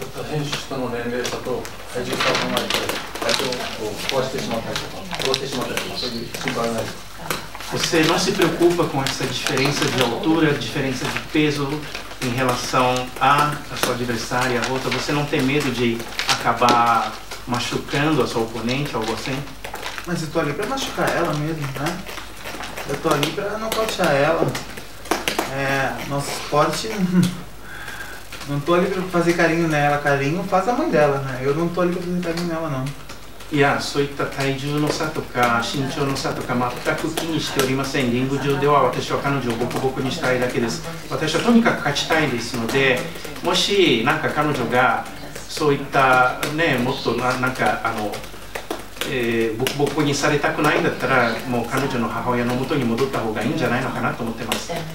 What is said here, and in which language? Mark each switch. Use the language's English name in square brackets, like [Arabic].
[Japanese] 編集者の年齢差と体重差を考えて体調を壊してしまったりとか壊してしまったりとかそういう心配はないです。 [Portuguese] Você não se preocupa com essa diferença de altura, diferença de peso em relação à sua adversária, à luta? Você não tem medo de acabar machucando a sua oponente, algo assim? Mas eu tô ali pra machucar ela mesmo, né? Eu tô ali pra nocautear ela. É, nosso esporte... Não tô ali pra fazer carinho nela. Carinho faz a mãe dela, né? Eu não tô ali pra fazer carinho nela, não. [Japanese] いや、そういった体重の差とか身長の差とか全く気にしておりません。リング上では私は彼女をボコボコにしたいだけです。私はとにかく勝ちたいですので、もしなんか彼女がそういったね、もっと なんかボコボコにされたくないんだったら、もう彼女の母親の元に戻った方がいいんじゃないのかなと思ってます。